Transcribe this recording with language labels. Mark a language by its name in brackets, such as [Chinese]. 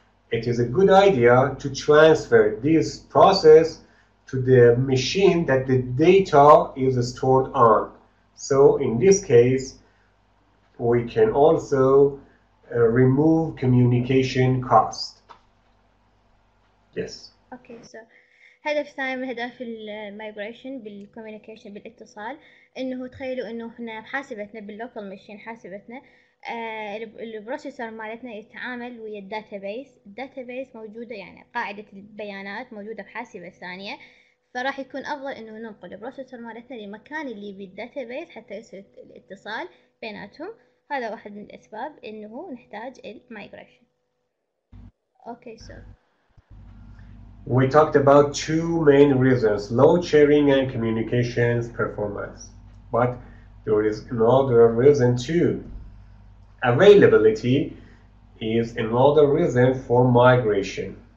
[English] It is a good idea to transfer this process to the machine that the data is stored on. So in this case, we can also remove communication cost. Yes. [Arabic] Okay, so هدف ثاني من هدف الميجريشن بالكوميونيكيشن بالاتصال انه تخيلوا انه احنا حاسبتنا باللوكال ماشين حاسبتنا البروسيسور مالتنا يتعامل ويا الداتابيس موجوده يعني قاعده البيانات موجوده بحاسبه ثانيه فراح يكون افضل انه ننقل البروسيسور مالتنا للمكان اللي بالداتابيس حتى يصير الاتصال بيناتهم هذا واحد من الاسباب انه نحتاج الميجريشن اوكي سو [English] We talked about two main reasons: load sharing and communications performance. But there is another reason too. Availability is another reason for migration.